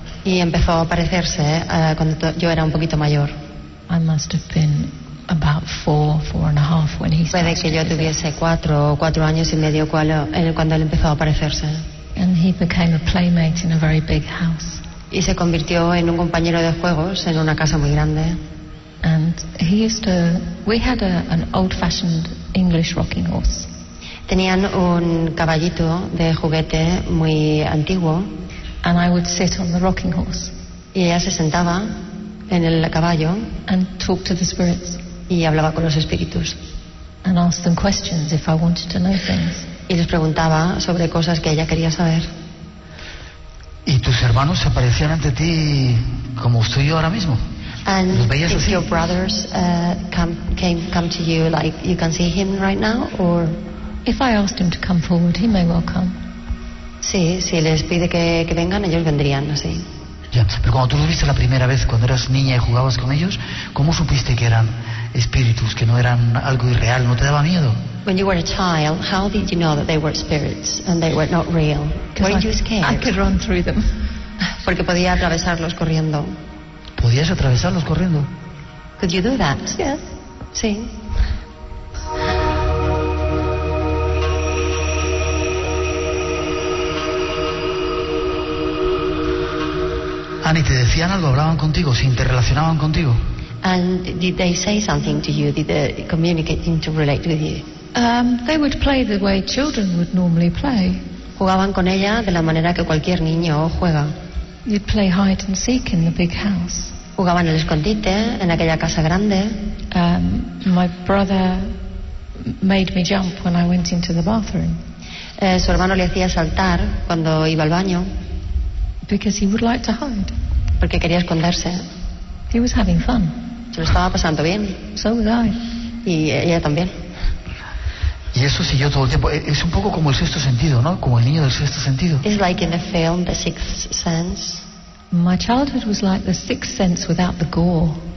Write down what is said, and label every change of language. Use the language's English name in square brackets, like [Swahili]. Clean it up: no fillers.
[Spanish] Y empezó a aparecerse cuando yo era un poquito mayor. [English] I must have been about four and a half when he started. [Spanish] Puede que yo tuviese cuatro años y medio cuando él empezó a aparecerse. [English] And he became a playmate in a very big house. [Spanish] Y se convirtió en un compañero de juegos en una casa muy grande. [English] And he used to. We had an old-fashioned English rocking horse. [Spanish] Tenían un caballito de juguete muy antiguo. [English] And I would sit on the rocking horse. [Spanish] Y ella se sentaba en el caballo. [English] And talk to the spirits. [Spanish] Y hablaba con los espíritus. [English] And ask them questions if I wanted to know things. [Spanish] Y les preguntaba sobre cosas que ella quería saber. ¿Y tus hermanos se aparecían ante ti como estoy yo ahora mismo? [English] And [Spanish] ¿los veías así? [English] Your brothers came to you like you can see him right now, or if I asked him to come forward, he may well come. [Spanish] Sí, si les pide que vengan, ellos vendrían, así. Ya, pero cuando tú los viste la primera vez, cuando eras niña y jugabas con ellos, ¿cómo supiste que eran espíritus, que no eran algo irreal? ¿No te daba miedo? [English] When you were a child, how did you know that they were spirits and they were not real? Were you scared? I could run through them. [Spanish] Porque podía atravesarlos corriendo. ¿Podías atravesarlos corriendo? [English] Could you do that? Yes. [Spanish] Sí. ¿Y te decían algo, hablaban contigo, se interrelacionaban contigo? [English] And did they say something to you? Did they communicate, interrelate with you? They would play the way children would normally play. [Spanish] Jugaban con ella de la manera que cualquier niño juega. [English] You'd play hide and seek in the big house. [Spanish] Jugaban al escondite en aquella casa grande. [English] My brother made me jump when I went into the bathroom. [Spanish] Su hermano le hacía saltar cuando iba al baño. [English] Because he would like to hide. [Spanish] Porque quería esconderse. [English] He was having fun. [Spanish] Se lo estaba pasando bien. [English] So was I. [Spanish] Y ella también. Y eso siguió todo el tiempo. Es un poco como el sexto sentido, ¿no? Como el niño del sexto sentido. [English] It's like in a film, the sixth sense. My childhood was like the sixth sense without the gore.